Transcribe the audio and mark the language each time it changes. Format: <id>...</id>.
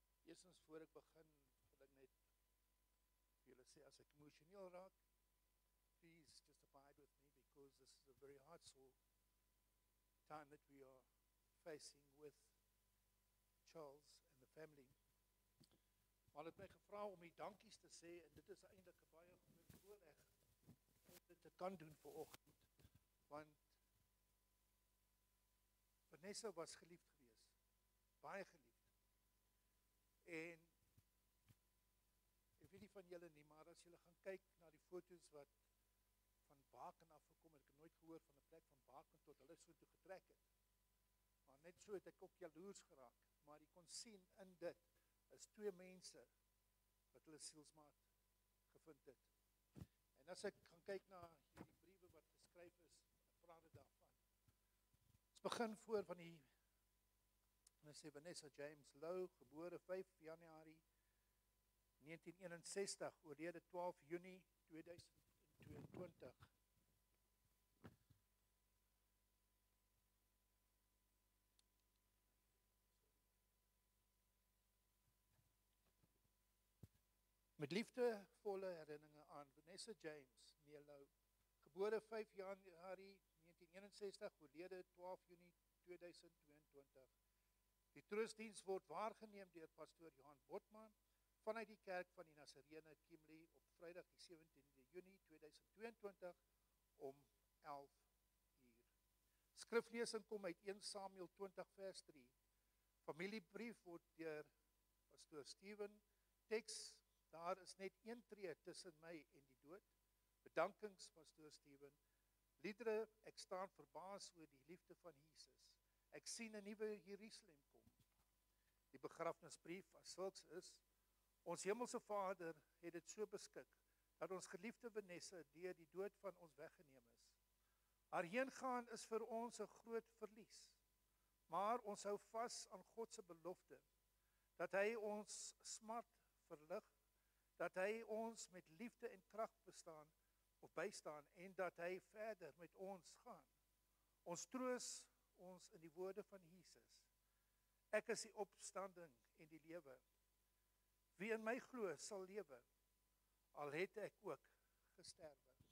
<af>Eerstens voor ek begin, wil ek net vir julle sê as ek emosioneel raak,</af> <en>please just abide with me because this is a very hard time that we are facing with Charles and the family.</en> <af>Maar het my gevra om die dankies te sê, en dit is eindelijk een baie goeie voorleg om dit te kan doen vir ochtend, want Vanessa was geliefd geweest, baie geliefd. En ek weet nie van julle nie, maar as julle gaan kyk na die foto's wat van Baken afgekom, het ek nooit gehoor van die plek van Baken tot hulle so toe getrek het. Maar net so het ek ook jaloers geraak, maar ek kon sien in dit, is twee mense wat hulle sielsmaat gevind het. En as ek gaan kyk na die briewe wat geskryf is, ek praat het daarvan. Het begin voor van die, en hy sê Vanessa James Lowe, gebore 5 januari 1961, oorlede 12 juni 2020. Met liefdevolle herinneringe aan Vanessa James Melo, gebore 5 januari 1961, oorlede 12 juni 2022. Die troostdiens word waargeneem deur pastoor Johan Botman vanuit die kerk van die Nazarene Kimberley op Vrydag die 17de Junie 2022 om 11 uur. Skriflesing kom uit 1 Samuel 20 vers 3. Familiebrief word deur pastoor Steven teks, daar is net een tree tussen my en die dood. Bedankings pastoor Steven. Liedere, ek staan verbaas oor die liefde van Jesus. Ek sien 'n nuwe Jerusalem kom. Die begrafnisbrief as sulks is, ons hemelse Vader het dit so beskik, dat ons geliefde Vanessa deur die dood van ons weggeneem is. Haar heengaan is vir ons een groot verlies, maar ons hou vas aan Godse belofte, dat hy ons smart verlig, dat hy ons met liefde en kracht bestaan of bystaan, en dat hy verder met ons gaan. Ons troos ons in die woorde van Jesus. Ek is die opstanding en die lewe. Wie in my glo sal lewe, al het ek ook gesterwe.</af>